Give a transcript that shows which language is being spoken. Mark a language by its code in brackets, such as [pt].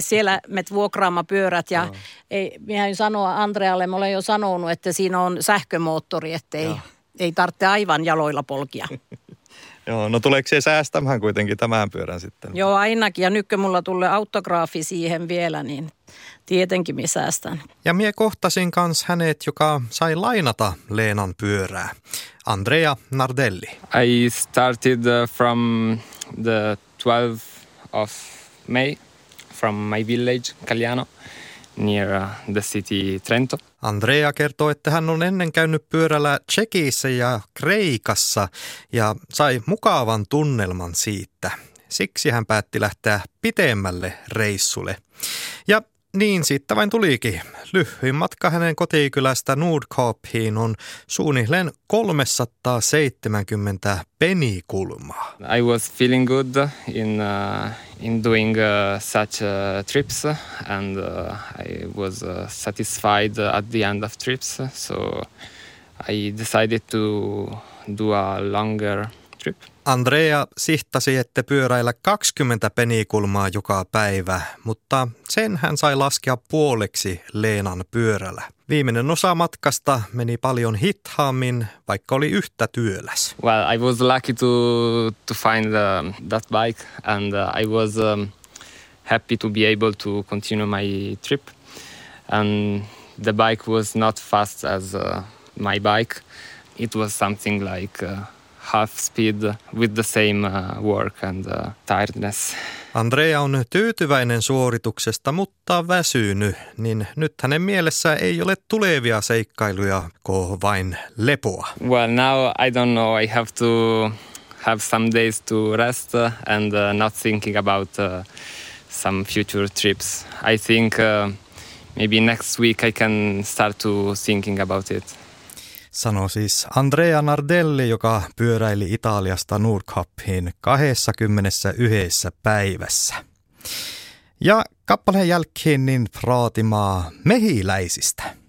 [fi] Siellä me vuokraamme pyörät ja minähän sanoa Andrealle, minä olen jo sanonut, että siinä on sähkömoottori, että ei tarvitse aivan jaloilla polkia. Joo, no tuleeko se säästämään kuitenkin tämän pyörän sitten? Joo, ainakin. Ja nytkö mulla tulee autograafi siihen vielä, niin tietenkin mä säästän. Ja mie kohtasin kans hänet, joka sai lainata Leenan pyörää. Andrea Nardelli. [en] I started from the 12th of May from my village, Caliano, near the city Trento. [fi] Andrea kertoo, että hän on ennen käynyt pyörällä Tšekissä ja Kreikassa ja sai mukavan tunnelman siitä. Siksi hän päätti lähteä pitemmälle reissulle. Ja niin siitä vain tulikin. Lyhyin matka hänen kotikylästä Nordkapiin on suunnilleen 370 penikulmaa. [en] I was feeling good in doing such trips and I was satisfied at the end of trips, so I decided to do a longer trip. [fi] Andrea sihtasi, että pyöräillä 20 penikulmaa joka päivä, mutta sen hän sai laskea puoleksi Leenan pyörällä. Viimeinen osa matkasta meni paljon hitaammin, vaikka oli yhtä työläs. [en] Well, I was lucky to find that bike and I was happy to be able to continue my trip. And the bike was not fast as my bike. It was something like half speed with the same work and tiredness. [fi] Andrea on tyytyväinen suorituksesta, mutta väsynyt, niin nyt hänen mielessä ei ole tulevia seikkailuja, kuin vain lepoa. [en] Well, now I don't know. I have to have some days to rest and not thinking about some future trips. I think maybe next week I can start to thinking about it. [fi] Sanoi siis Andrea Nardelli, joka pyöräili Italiasta Nordkapiin 21 päivässä. Ja kappaleen jälkeen niin praatimaa mehiläisistä.